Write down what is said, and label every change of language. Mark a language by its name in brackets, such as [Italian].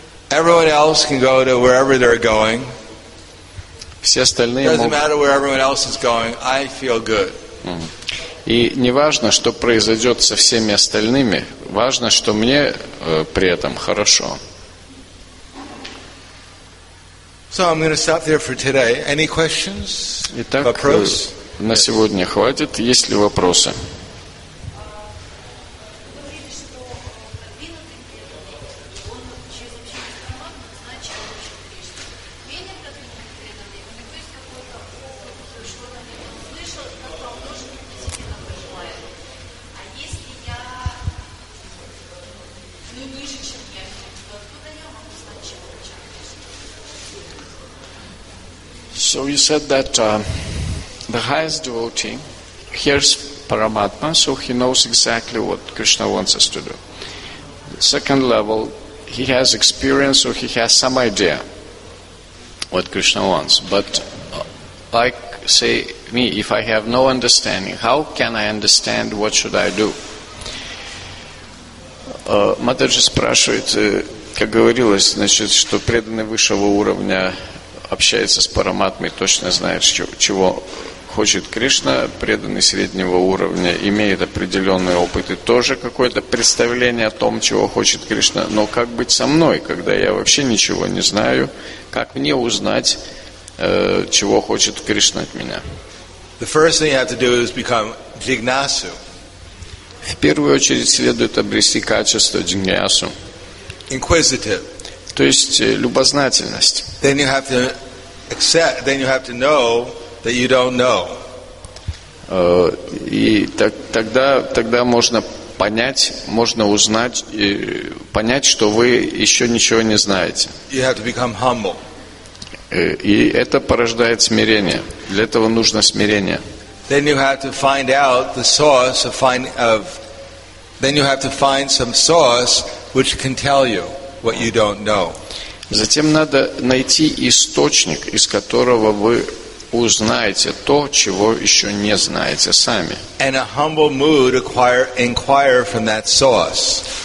[English] Everyone else can go to wherever they're going. [Russian] Все остальные могут... [English] Doesn't matter where everyone else is going. I feel good. [Russian] И не важно, что произойдет со всеми остальными, важно, что мне при этом хорошо. [English] So I'm going to stop there for today. Any questions? [Russian] Итак, вопрос? На сегодня хватит. Есть ли вопросы? [English] Said that the highest devotee hears Paramatma, so he knows exactly what Krishna wants us to do. The second level, he has experience, so he has some idea what Krishna wants. But like, say, me, if I have no understanding, how can I understand, what should I do? [Russian] Mataji спрашивает, как говорилось, значит, что преданный высшего уровня общается с Параматмой, точно знает, чего хочет Кришна, преданный среднего уровня, имеет определенный опыт и тоже какое-то представление о том, чего хочет Кришна. Но как быть со мной, когда я вообще ничего не знаю? Как мне узнать, чего хочет Кришна от меня? [English] The first thing you have to do is become jignasu. [Russian] В первую очередь следует обрести качество джигнясу. [English] Inquisitive. [Russian] То есть любознательность. [English] Then you have to accept, then you have to know that you don't know. [Russian] И так, тогда можно понять, можно узнать, понять, что вы еще ничего не знаете. [English] You have to become humble. [Russian] И это порождает смирение. Для этого нужно смирение. [English] Then you have to find out the source of then you have to find some source which can tell you what you don't know. [Russian] Затем надо найти источник, из которого вы узнаете то, чего еще не знаете сами. [English] And a humble mood inquire from that source.